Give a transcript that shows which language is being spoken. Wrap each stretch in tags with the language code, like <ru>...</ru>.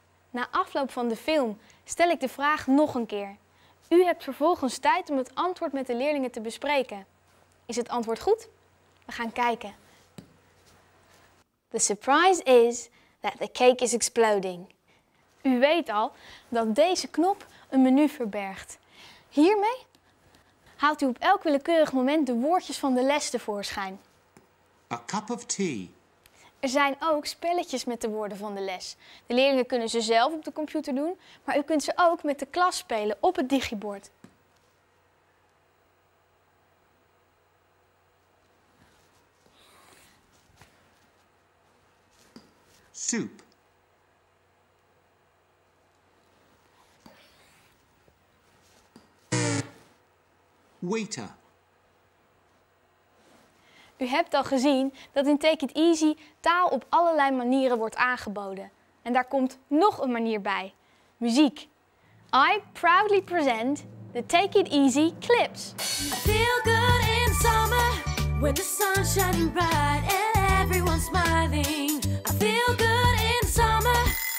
<nl>Na afloop van de film stel ik de vraag nog een keer. U hebt vervolgens tijd om het antwoord met de leerlingen te bespreken. Is het antwoord goed? We gaan kijken.</nl> <en>The surprise is that the cake is exploding.</en> <nl>U weet al dat deze knop een menu verbergt. Hiermee haalt u op elk willekeurig moment de woordjes van de les tevoorschijn.</nl> <en>A cup of tea.</en> <nl>Er zijn ook spelletjes met de woorden van de les. De leerlingen kunnen ze zelf op de computer doen, maar u kunt ze ook met de klas spelen op het digibord.</nl> <en>Soup. Waiter.</en> <nl>U hebt al gezien dat in Take It Easy taal op allerlei manieren wordt aangeboden. En daar komt nog een manier bij. Muziek.</nl> <en>I proudly present the Take It Easy clips. I feel good in summer when the sun's shining bright and everyone's smiling. I feel good in summer.</en>